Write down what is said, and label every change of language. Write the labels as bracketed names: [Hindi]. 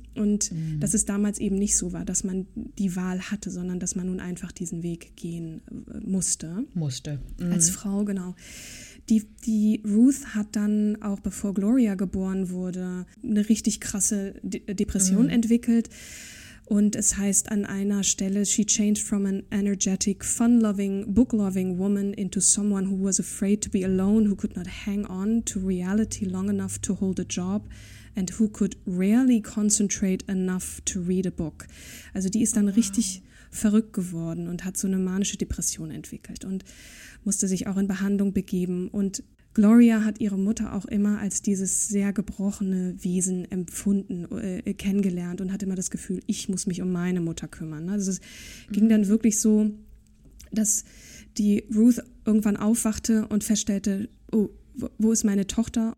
[German] Und dass es damals eben nicht so war, dass man die Wahl hatte, sondern dass man nun einfach diesen Weg gehen musste. Musste. Als Frau, genau. Die Ruth hat dann auch, bevor Gloria geboren wurde, eine richtig krasse Depression entwickelt. Und es heißt an einer Stelle, [English] she changed from an energetic, fun-loving, book-loving woman into someone who was afraid to be alone, who could not hang on to reality long enough to hold a job and who could rarely concentrate enough to read a book. [German] Also die ist dann richtig verrückt geworden und hat so eine manische Depression entwickelt und musste sich auch in Behandlung begeben. Und Gloria hat ihre Mutter auch immer als dieses sehr gebrochene Wesen empfunden, kennengelernt und hat immer das Gefühl, ich muss mich um meine Mutter kümmern. Also es ging dann wirklich so, dass die Ruth irgendwann aufwachte und feststellte, oh, wo ist meine Tochter?